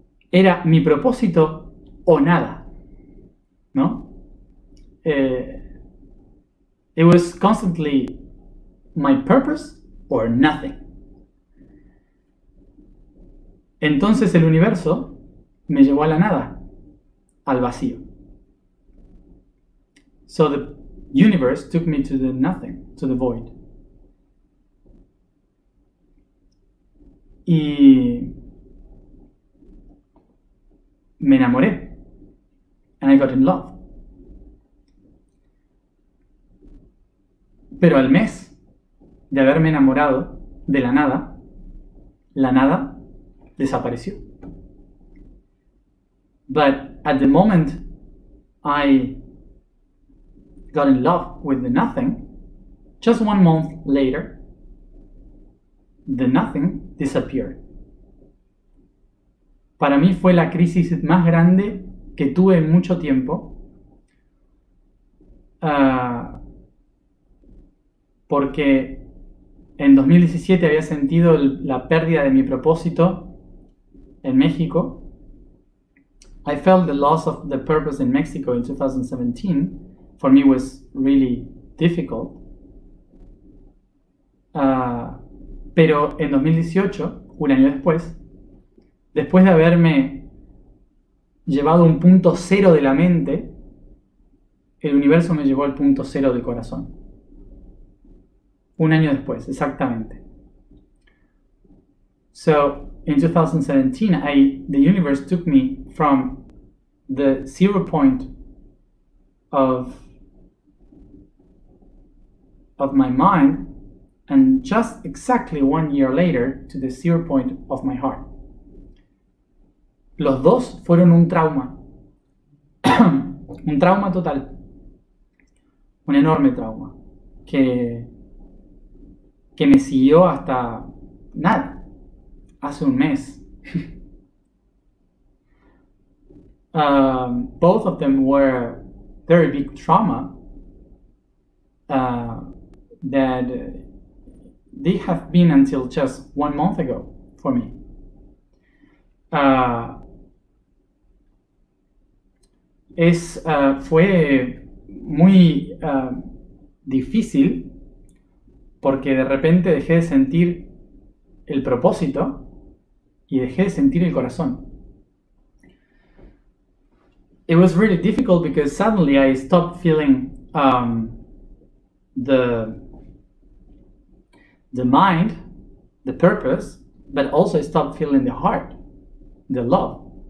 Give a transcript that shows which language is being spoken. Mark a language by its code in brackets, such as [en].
[es] Era mi propósito o nada, ¿no? [en] It was constantly my purpose or nothing. [es] Entonces el universo me llevó a la nada, al vacío. [en] So the universe took me to the nothing, to the void. [es] Y me enamoré. [en] And I got in love. [es] Pero al mes de haberme enamorado de la nada desapareció. [en] But at the moment I got in love with the nothing, just 1 month later, the nothing disappeared. [es] Para mí fue la crisis más grande que tuve en mucho tiempo. Porque en 2017 había sentido la pérdida de mi propósito en México. [en] I felt the loss of the purpose in Mexico in 2017. For me was really difficult. [es] Pero en 2018, un año después de haberme llevado un punto cero de la mente, el universo me llevó al punto cero del corazón. Un año después, exactamente. [en] So, in 2017, the universe took me from the zero point of my mind, and just exactly 1 year later, to the zero point of my heart. [es] Los dos fueron un trauma. Un trauma total. Un enorme trauma. Que me siguió hasta nada, hace un mes. [en] Both of them were very big trauma that they have been until just 1 month ago for me. [es] Fue muy difícil. Porque de repente dejé de sentir el propósito y dejé de sentir el corazón. [en] It was really difficult because suddenly I stopped feeling the mind, the purpose, but also stopped feeling the heart, the love.